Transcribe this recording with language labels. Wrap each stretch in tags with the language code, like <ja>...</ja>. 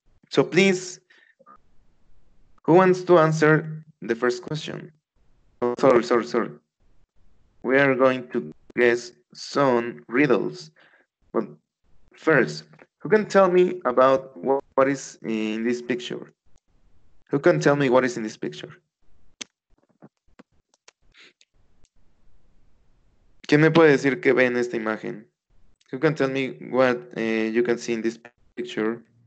<en>So please, who wants to answer the first question? Oh, sorry. We are going to guess some riddles. But first, who can tell me about what is in this picture? Who can tell me what is in this picture?</en> <es>¿Quién me puede decir qué ve en esta imagen?</es> <en>Who can tell me what you can see in this picture?</en>